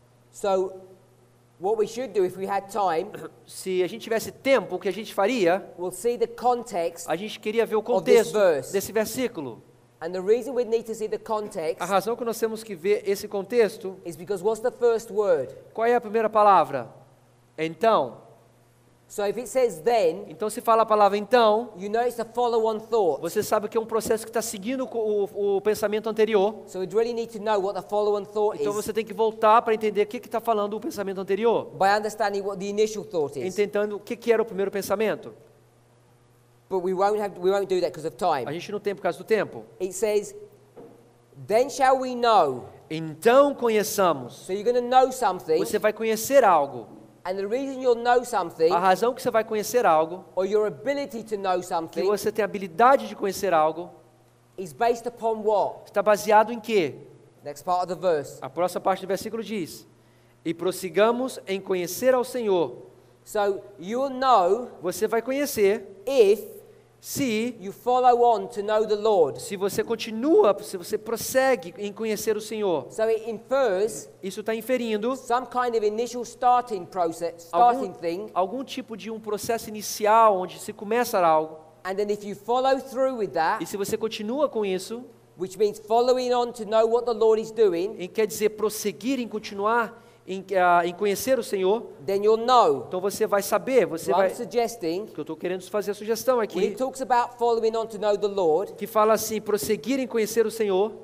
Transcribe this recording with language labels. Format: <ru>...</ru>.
<en>So, what we should do if we had time,</en> <pt>se a gente tivesse tempo, o que a gente faria?</pt> <en>We'll see the context.</en> <pt>A gente queria ver o contexto desse versículo.</pt> <en>And the reason we need to see the context,</en> <pt>a razão que nós temos que ver esse contexto,</pt> <en>is because what's the first word?</en> <pt>Qual é a primeira palavra? Então.</pt> <en>So if it says then,</en> <pt>então se fala a palavra então,</pt> <en>you know it's a follow-on thought.</en> <pt>Você sabe que é um processo que está seguindo o pensamento anterior.</pt> <en>So you really need to know what the follow-on thought is.</en> <pt>Então você tem que voltar para entender o que está falando o pensamento anterior.</pt> <en>By understanding what the initial thought is.</en> <pt>Entendendo o que era o primeiro pensamento.</pt> <en>But we won't do that because of time.</en> <pt>A gente não tem por causa do tempo.</pt> <en>It says, then shall we know.</en> <pt>Então conheçamos.</pt> <en>So you're going to know something.</en> <pt>Você vai conhecer algo.</pt> <en>And the reason you'll know something,</en> <pt>a razão que você vai conhecer algo,</pt> <en>or your ability to know something,</en> <pt>que você tem a habilidade de conhecer algo,</pt> <en>is based upon what?</en> <pt>Está baseado em quê?</pt> <en>Next part of the verse.</en> <pt>A próxima parte do versículo diz: e prossigamos em conhecer ao Senhor.</pt> <en>So you'll know,</en> <pt>você vai conhecer,</pt> <en>if</en> <pt>se</pt> <en>you follow on to know the Lord.</en> <pt>Se você continua, se você prossegue em conhecer o Senhor.</pt> <en>So it infers,</en> <pt>isso está inferindo</pt> <en>some kind of initial starting process, starting thing.</en> <pt>Algum tipo de um processo inicial onde se começa algo.</pt> <en>And then if you follow through with that,</en> <pt>e se você continua com isso,</pt> <en>which means following on to know what the Lord is doing.</en> <pt>E quer dizer prosseguir em continuar em conhecer o Senhor.</pt> <en>Then you'll know.</en> <pt>Então você vai saber, você</pt> <en>what</en> <pt>vai.</pt> <en>I'm suggesting.</en> <pt>Que eu estou querendo fazer a sugestão aqui.</pt> <en>When it talks about following on to know the Lord.</en> <pt>Que fala assim, prosseguir em conhecer o Senhor.</pt>